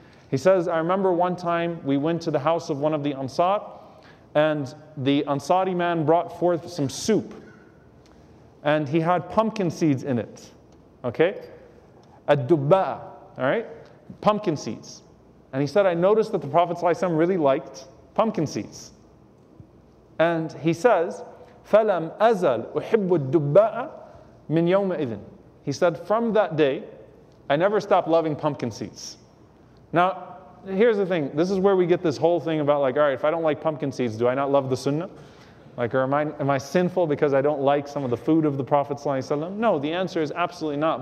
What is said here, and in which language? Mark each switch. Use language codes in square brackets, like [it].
[en] He says, I remember one time we went to the house of one of the Ansar, and the Ansari man brought forth some soup. And he had pumpkin seeds in it, okay? Ad-dubba, all right? Pumpkin seeds. And he said, I noticed that the Prophet ﷺ really liked pumpkin seeds. And he says, [ar] فَلَمْ أَزَلْ أُحِبُّ الدُّبَّاءَ مِنْ يَوْمَ إِذٍ. [en] He said, from that day, I never stopped loving pumpkin seeds. Now, here's the thing. This is where we get this whole thing about like, all right, if I don't like pumpkin seeds, do I not love the sunnah? Like, or am I sinful because I don't like some of the food of the Prophet Sallallahu Alaihi Wasallam? No, the answer is absolutely not.